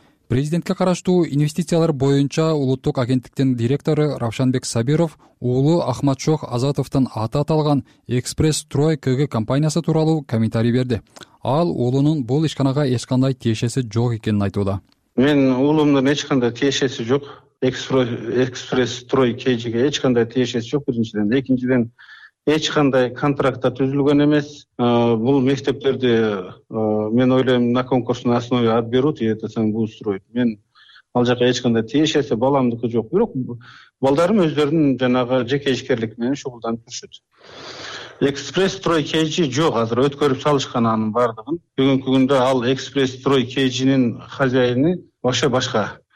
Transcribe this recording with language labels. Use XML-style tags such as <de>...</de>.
<ky>Президентке караштуу инвестициялар боюнча улуттук агенттиктин директору Равшанбек Сабиров уулу Ахматшох Азатовдун аты аталган Экспресс Строй КГ компаниясы тууралуу комментарий берди. Ал уулунун бул ишканага эч кандай тиешеси жок экенин айтууда. Мен уулумдун эч кандай тиешеси жок. Экспресс Строй КГ эч кандай тиешеси жок биринчиден. Экинчиден эч кандай контракттар түзүлгөн эмес. Бул мектептерди мен ойлойм</ky> <ru>на конкурсной основе отберут и это сам будут строить.</ru> <ky>Мен ал жака эч кандай тиешеси баламдыкы жок. Бирок балдарым өздөрүнүн жанагы жеке ишкерлик менен шугулданып жүрүшөт. Экспресс Строй КЖ жок азыр өткөрүп салышкан анын бардыгын. Бүгүнкү күндө ал Экспресс Строй КЖ'нин хозяини вообще башка.</ky>